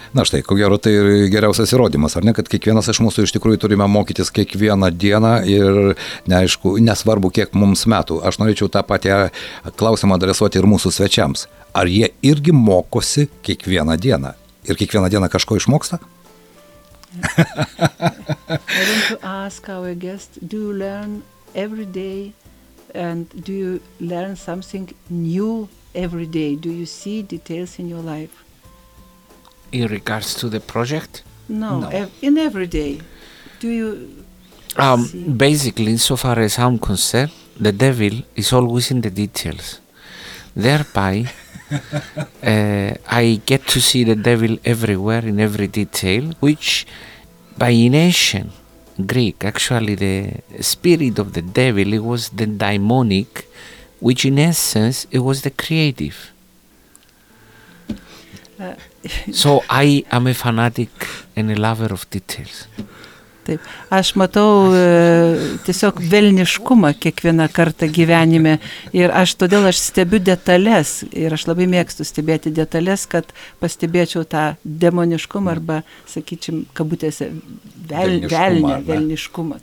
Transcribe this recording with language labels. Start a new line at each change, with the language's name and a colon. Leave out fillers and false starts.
Lithuanian: Na štai, ko gero, tai geriausias įrodymas, ar ne, kad kiekvienas iš mūsų iš tikrųjų turime mokytis kiekvieną dieną ir neaišku, nesvarbu, kiek mums metų. Aš norėčiau tą patį klausimą adresuoti ir mūsų svečiams. Ar jie irgi mokosi kiekvieną dieną? Ir kiekvieną dieną kažko išmoksta?
English: I want to ask our guest, do you learn every day and do you learn something new every day? Do you see details in your life? In regards to the project? No. In every day. Do you see? Basically, so far as I'm concerned, the devil is always in the details. Thereby, I get to see the devil everywhere in every detail, which by in ancient Greek, actually the spirit of the devil, it was the daimonic, which in essence, it was the creative. So I am a fanatic and a lover of details.
Lithuanian: Taip, aš matau tiesiog velniškumą kiekvieną kartą gyvenime ir aš todėl aš stebiu detales ir aš labai mėgstu stebėti detales, kad pastebėčiau tą demoniškumą arba, sakyčiau, kabutėse velniškumą.